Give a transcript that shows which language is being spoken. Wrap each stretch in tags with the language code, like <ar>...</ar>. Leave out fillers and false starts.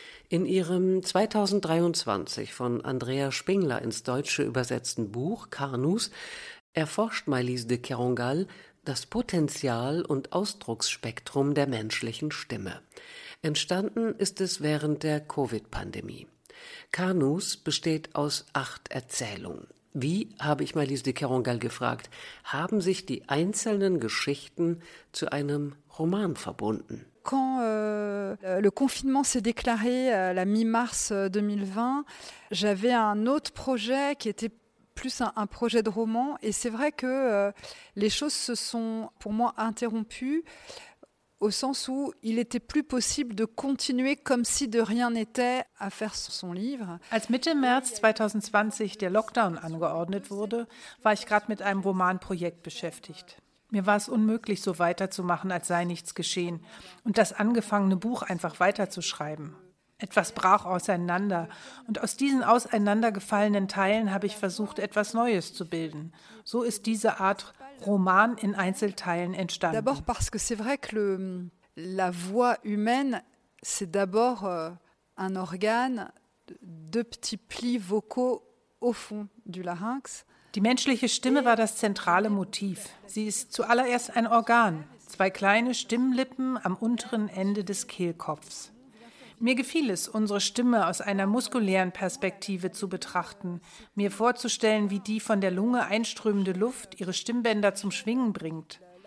<de>In ihrem 2023 von Andrea Spengler ins Deutsche übersetzten Buch »Kanus« erforscht Maëlys de Kerangal das Potenzial und Ausdrucksspektrum der menschlichen Stimme. Entstanden ist es während der Covid-Pandemie. Kanus besteht aus 8 Erzählungen. Wie, habe ich Maëlys de Kerangal gefragt, haben sich die einzelnen Geschichten zu einem Roman verbunden?</de> <fr>Quand le confinement s'est déclaré à la mi-mars 2020, j'avais un autre projet qui était plus un projet de roman. Et c'est vrai que les choses se sont, pour moi, interrompues au sens où il n'était plus possible de continuer comme si de rien n'était à faire son livre.</fr> <de>Als Mitte März 2020 der Lockdown angeordnet wurde, war ich gerade mit einem Romanprojekt beschäftigt. Mir war es unmöglich, so weiterzumachen, als sei nichts geschehen und das angefangene Buch einfach weiterzuschreiben. Etwas brach auseinander und aus diesen auseinandergefallenen Teilen habe ich versucht, etwas Neues zu bilden. So ist diese Art Roman in Einzelteilen entstanden.</de> <fr>D'abord parce que c'est vrai que la voix humaine, c'est d'abord un organe de petits plis vocaux au fond du larynx.</fr> <de>Die menschliche Stimme war das zentrale Motiv. Sie ist zuallererst ein Organ, 2 kleine Stimmlippen am unteren Ende des Kehlkopfs. Mir gefiel es, unsere Stimme aus einer muskulären Perspektive zu betrachten, mir vorzustellen, wie die von der Lunge einströmende Luft ihre Stimmbänder zum Schwingen bringt.</de>